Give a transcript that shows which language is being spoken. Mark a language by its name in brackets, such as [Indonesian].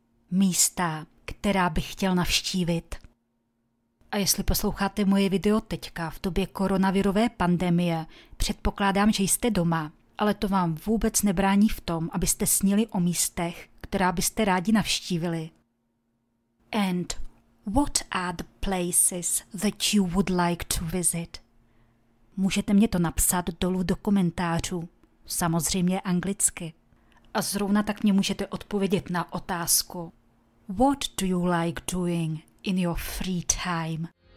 [Czech] Místa, která bych chtěl navštívit. A jestli posloucháte moje video teďka v době koronavirové pandemie, předpokládám, že jste doma. Ale to vám vůbec nebrání v tom, abyste snili o místech, která byste rádi navštívili. [English] And what are the places that you would like to visit? [Czech] Můžete mě to napsat dolů do komentářů, samozřejmě anglicky. A zrovna tak mě můžete odpovědět na otázku. [English] What do you like doing in your free time?